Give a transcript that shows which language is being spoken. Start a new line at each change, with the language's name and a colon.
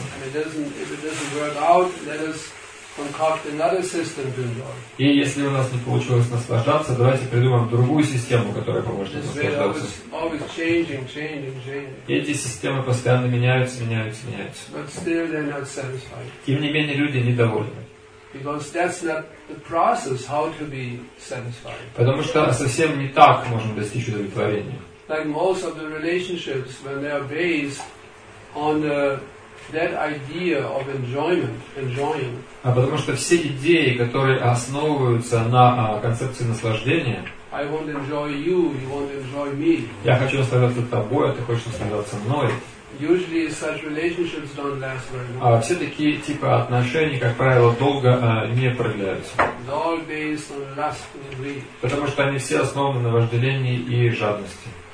English: And if it doesn't work out, let us concoct another system to enjoy.
Russian: И если у нас не получилось наслаждаться, давайте придумаем другую систему, которая поможет нам наслаждаться.
English: Always changing.
Russian: Эти системы постоянно меняются.
English: But still they're not satisfied.
Russian: Тем не менее, люди недовольны.
English: Because that's not the process how to be satisfied.
Russian: Потому что совсем не так можно достичь удовлетворения.
English: Like most of the relationships, when they are based on that idea of enjoying.
Russian: А потому что все идеи, которые основываются на концепции наслаждения,
English: I want to enjoy you, you want to enjoy me.
Russian: Я хочу наслаждаться тобой, а ты хочешь наслаждаться мной.
English: Usually such relationships don't last very long.
Russian: А все такие типа отношений, как правило, долго не продляются.
English: They're all based on lust and greed.
Russian: Потому что они все основаны на вожделении и жадности.